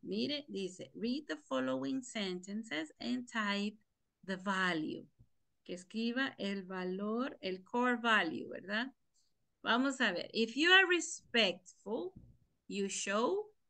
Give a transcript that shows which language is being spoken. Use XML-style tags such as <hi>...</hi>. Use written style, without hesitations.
<es>Mire, dice,</es> <en>read the following sentences and type the value.</en> <es>Que escriba el valor, el core value, ¿verdad? Vamos a ver,</es> <en>if you are respectful, you show.</en>